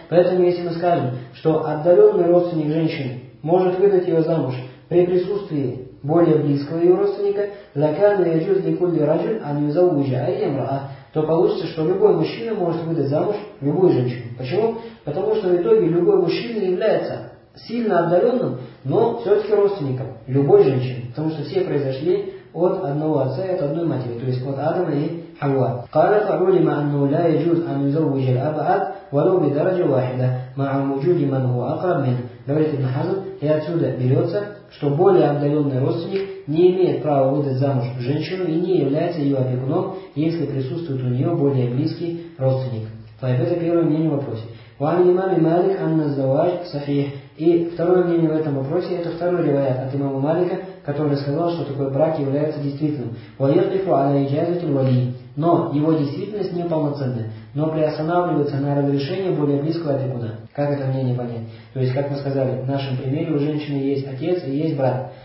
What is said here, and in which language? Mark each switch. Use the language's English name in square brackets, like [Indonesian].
[Russian] Поэтому, если мы скажем, что отдаленный родственник женщины может выдать ее замуж при присутствии более близкого ее родственника, [Arabic] Лакану Яджуз Никулли Раджуль Анюзаубуджа Айямра, [Russian] то получится, что любой мужчина может выдать замуж любую женщину. Почему? Потому что в итоге любой мужчина является сильно отдаленным, но все-таки родственником любой женщины, потому что все произошли от одного отца и от одной матери, то есть от Адама и Хавва. [Arabic] قالت علماء أنه لا يجوز أن يزوج الأبعد ولو بدرجة واحدة مع وجود من هو أقرب منه. [Russian] Говорит Ибн Хазм, и отсюда берется, что более отдаленный родственник не имеет права выдать замуж женщину и не является ее опекуном, если присутствует у нее более близкий родственник. Так, это первое мнение в вопросе. [Arabic] وعن الإمام مالك أن الزواج صحيح. [Russian] И второе мнение в этом вопросе, это второй риваят от имама Малика, который сказал, что такой брак является действительным. [Arabic] وَيَقْفُ عَلَى إِجَازَةِ الْوَلِيِّ. [Russian] Но его действительность неполноценная, но приостанавливается на разрешение более близкого опекуна. Как это мнение понять? То есть, как мы сказали, в нашем примере у женщины есть отец и есть брат.